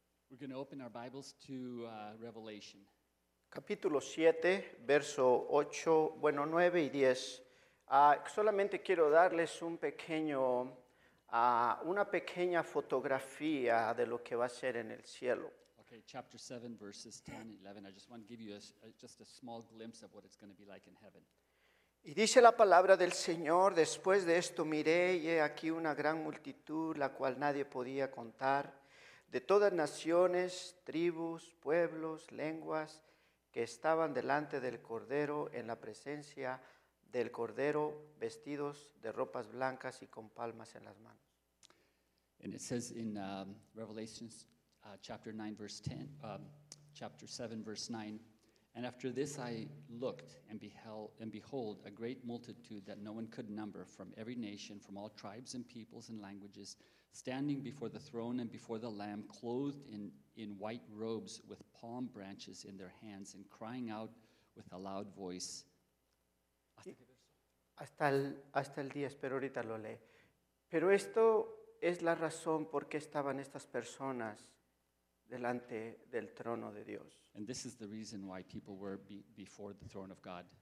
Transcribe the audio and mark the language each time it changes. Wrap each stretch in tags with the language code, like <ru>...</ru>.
<en>we're going to open our Bibles to Revelation.</en> <es>Capítulo 7, verso 8, bueno, 9 y 10. Solamente quiero darles un pequeño, una pequeña fotografía de lo que va a ser en el cielo.</es> <en>Okay, chapter 7, verses 10 and 11. I just want to give you a small glimpse of what it's going to be like in heaven.</en> <es>Y dice la palabra del Señor, después de esto miré, y he aquí una gran multitud, la cual nadie podía contar, de todas naciones, tribus, pueblos, lenguas, que estaban delante del Cordero en la presencia del Cordero, vestidos de ropas blancas y con palmas en las manos.</es> <en>And it says in Revelation chapter 9, verse 10, chapter 7, verse 9, and after this I looked and behold a great multitude that no one could number, from every nation, from all tribes and peoples and languages, standing before the throne and before the Lamb, clothed in white robes with palm branches in their hands, and crying out with a loud voice.</en> <es>Hasta el 10, pero ahorita lo lee. Pero esto es la razón por qué estaban estas personas delante del trono de Dios.</es> <en>And this is the reason why people were before the throne of God.</en>